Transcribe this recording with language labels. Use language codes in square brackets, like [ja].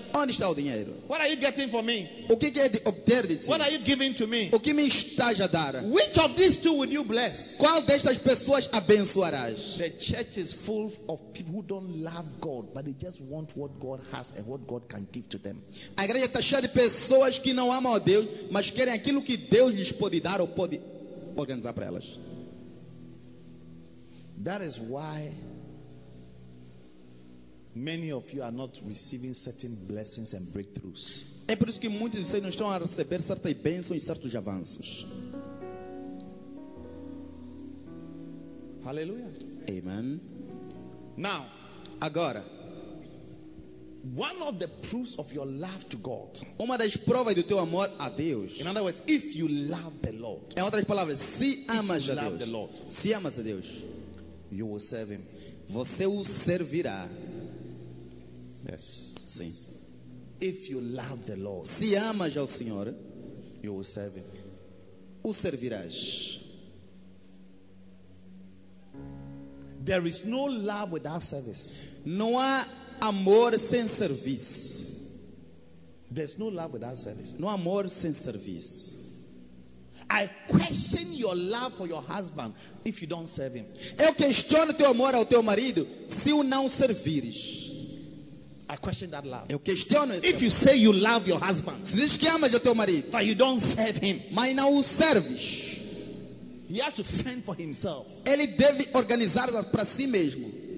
[pt] Onde está o dinheiro? [en] What are you getting for me? [pt] O que quer obter de ti? [en] What are you giving to me? [pt] O que me estás a dar? [en] Which of these two would you bless? [pt] Qual destas pessoas abençoarás? [en] The church is full of people who don't love God, but they just want what God has and what God can give to them. [pt] A igreja está cheia de pessoas que não amam a Deus, mas querem aquilo que Deus lhes pode dar ou pode organizar para elas. [en] That is why many of you are not receiving certain blessings and breakthroughs. [pt] É por isso que muitos de vocês não estão a receber certas bênçãos e certos avanços. [en] Hallelujah. Amen. Now, [pt] agora, [en] one of the proofs of your love to God. [pt] Uma das provas do teu amor a Deus. [en] In other words, if you love the Lord. [pt] Em outras palavras, se amas a Deus. [en] The Lord, [pt] se amas a Deus. [en] You will serve him. [pt] Você o servirá. [en] Yes. [pt] Sim. [en] If you love the Lord, [pt] se amas ao Senhor, [en] you will serve him. [pt] O servirás. [en] There is no love without service. [pt] Não há amor sem serviço. [en] There's no love without service. [pt] Não há amor sem serviço. [en] I question your love for your husband if you don't serve him. [pt] Eu questiono teu amor ao teu marido se o não servires. [en] I question that love. [pt] Eu questiono esse. [en] If you say you love your husband, [pt] se diz que amas o teu marido, [en] but you don't serve him, [pt] mas não o serves. [en] He has to fend for himself. [pt] Ele deve organizar para si mesmo.